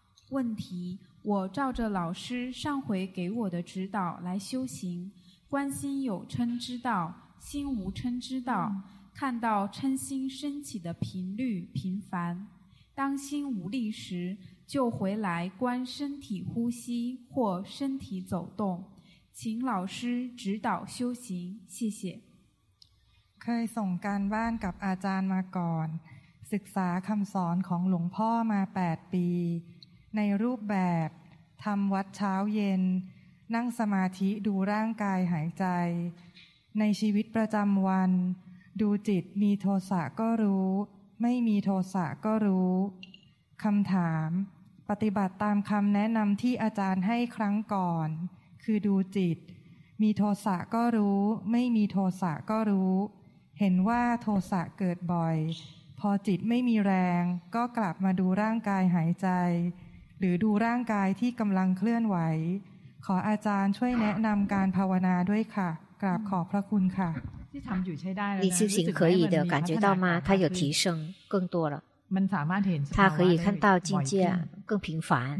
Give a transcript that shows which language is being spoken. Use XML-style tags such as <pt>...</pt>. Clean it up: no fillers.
<zh>问题：我照着老师上回给我的指导来修行，观心有嗔之道，心无嗔之道，看到嗔心升起的频率频繁，当心无力时就回来观身体呼吸或身体走动，请老师指导修行，谢谢。</zh> <th>เคยส่งการบ้านกับอาจารย์มาก่อนศึกษาคำสอนของหลวงพ่อมา8ปีในรูปแบบทำวัดเช้าเย็นนั่งสมาธิดูร่างกายหายใจ ในชีวิตประจำวันดูจิตมีโทสะก็รู้ไม่มีโทสะก็รู้คำถามปฏิบัติตามคำแนะนำที่อาจารย์ให้ครั้งก่อนคือดูจิตมีโทสะก็รู้ไม่มีโทสะก็รู้เห็นว่าโทสะเกิดบ่อยพอจิตไม่มีแรงก็กลับมาดูร่างกายหายใจ หรือดูร่างกายที่กำลังเคลื่อนไหวขออาจารย์ช่วยแนะนำการภาวนาด้วยค่ะกราบขอบพระคุณค่ะ ที่ทำอยู่ใช้ได้แล้ว นะ</th> <zh>你修行可以的感觉到吗它有提升更多了</zh> <th>มันสามารถเห็น</th> <zh>它可以看到境界更频繁</zh>